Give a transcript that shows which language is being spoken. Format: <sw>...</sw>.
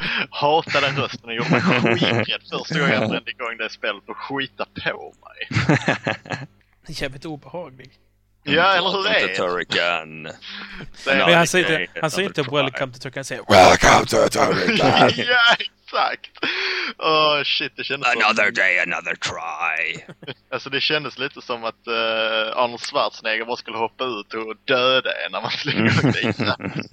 <sv>Hatade rösten och gjorde mig skiträtt. Första gången jag brände igång det spelet och skita på mig. Det är jävligt obehaglig. Ja, eller hur det är. Han säger inte</sv> <en>welcome to Turrican.</en> <sv>Han säger</sv> <en>welcome to Turrican.</en> <sv>Ja, exakt.</sv> <en>Oh shit,</en> <sv>det kändes</sv> <en>another day, another try.</en> <sv>Alltså det kändes lite som att Arnold Schwarzenegger bara skulle hoppa ut och döda en när man slår igång det.</sv>